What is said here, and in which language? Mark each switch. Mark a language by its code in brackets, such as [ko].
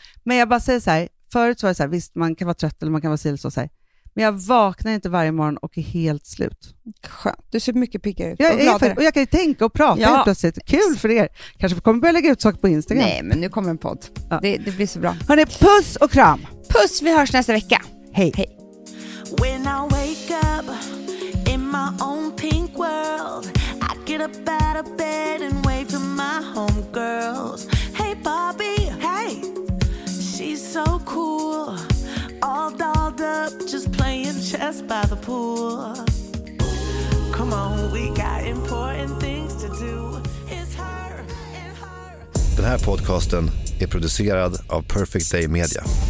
[sv] Men jag bara säger så här, förut så var det så här, visst man kan vara trött eller man kan vara silt så här. Men jag vaknar inte varje morgon och är helt slut. Skönt. Du ser mycket piggare ut. Och jag kan ju tänka och prata helt plötsligt. Kul för er. Kanske vi kommer börja lägga ut saker på Instagram. Nej, men nu kommer en podd. Ja. Det blir så bra. Hörrni, puss och kram. Puss, vi hörs nästa vecka. Hej. Hej. [en] When I wake up in my own pink world, I get up out of bed and wave to my homegirls. Hey Barbie, hey. She's so cool. All dolled up, just playing chess by the pool. Come on, we got important things to do. It's her and her. [sv] Den här podcasten är producerad av Perfect Day Media.